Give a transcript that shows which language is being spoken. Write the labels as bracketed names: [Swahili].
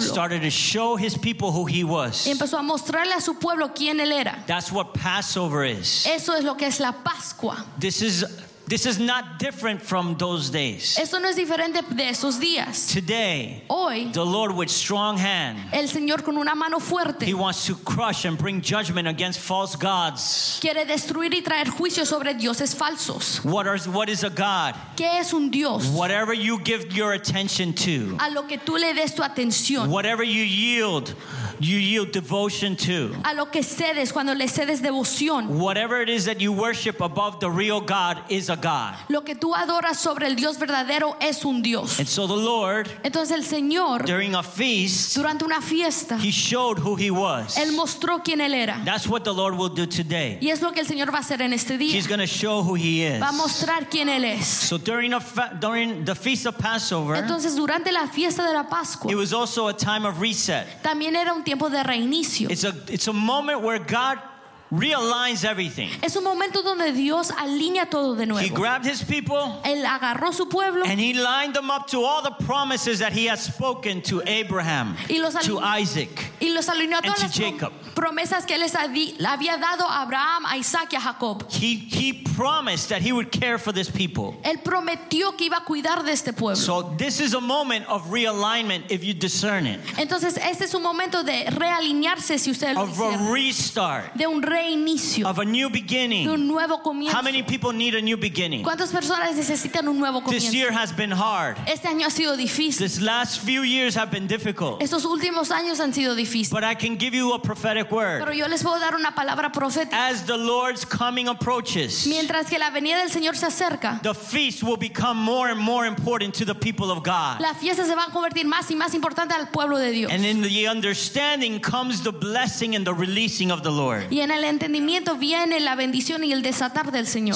[English] and started to show his people who he was, [Spanish] y empezó a mostrarle a su pueblo quién él era. [English] That's what Passover is. [Spanish] Eso es lo que es la Pascua. [English] This is not different from those days. [Spanish] Esto no es diferente de esos días. [English] Today, [Spanish] hoy, [English] the Lord with strong hand, [Spanish] el Señor con una mano fuerte, [English] he wants to crush and bring judgment against false gods. [Spanish] Quiere destruir y traer juicio sobre dioses falsos. [English] What is a God? [Spanish] ¿Qué es un Dios? [English] Whatever you give your attention to, [Spanish] a lo que tú le des tu atención, [English] whatever you yield devotion to, [Spanish] a lo que cedes cuando le cedes devoción, [English] whatever it is that you worship above the real God is a God. [Spanish] Lo que tú adoras sobre el Dios verdadero es un Dios. [English] And so the Lord, [Spanish] entonces el Señor, [English] during a feast, [Spanish] durante una fiesta, [English] he showed who he was. [Spanish] Él mostró quién él era. [English] That's what the Lord will do today. [Spanish] Y es lo que el Señor va a hacer en este día. [English] He's going to show who he is. [Spanish] Va a mostrar quién él es. [English] So during the feast of Passover, [Spanish] entonces durante la fiesta de la Pascua, [English] it was also a time of reset. [Spanish] También era un tiempo de reinicio. [English] It's a moment where God realigns everything. [Spanish] Es un momento donde Dios alinea todo de nuevo. [English] He grabbed his people. [Spanish] Él agarró su pueblo. [English] And he lined them up to all the promises that he has spoken to Abraham, to Isaac, [Spanish] y los alineó a todas [English] and to Jacob. [Spanish] Promesas que él les había dado a Abraham, a Isaac y a Jacob. [English] He promised that he would care for this people. [Spanish] Él prometió que iba a cuidar de este pueblo. [English] So this is a moment of realignment if you discern it. [Spanish] Entonces este es un momento de realinearse si usted lo [English] of a restart. [Spanish] De un reinicio. [English] Of a new beginning. [Spanish] De un nuevo comienzo. [English] How many people need a new beginning? [Spanish] ¿Cuántas personas necesitan un nuevo comienzo? [English] This year has been hard. [Spanish] Este año ha sido difícil. [English] These last few years have been difficult. [Spanish] Estos últimos años han sido difíciles. [English] But I can give you a prophetic word. [Spanish] Pero yo les puedo dar una palabra profética. [English] As the Lord's coming approaches, [Spanish] mientras que la venida del Señor se acerca, [English] the feast will become more and more important to the people of God. [Spanish] La fiesta se va a convertir más y más importante al pueblo de Dios. [English] And in the understanding comes the blessing and the releasing of the Lord. [Spanish] Y en el entendimiento viene la bendición y el desatar del Señor.